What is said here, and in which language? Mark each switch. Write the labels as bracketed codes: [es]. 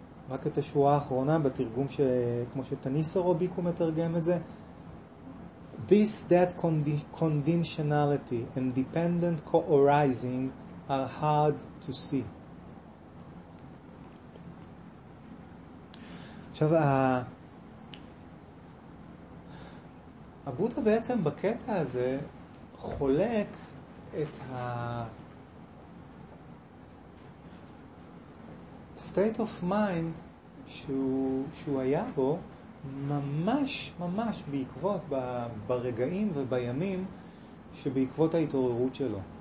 [he] רק את השורה האחרונה בתרגום ש... כמו שטניסה רוביקו מתרגם את זה. [en] This, that conditionality and dependent co-arising are hard to see. [he] עכשיו, הבודה בעצם בקטע הזה חולק את ה... [en] state of mind [he] שהוא היה בו ממש ממש בעקבות ברגעים ובימים שבעקבות ההתעוררות שלו.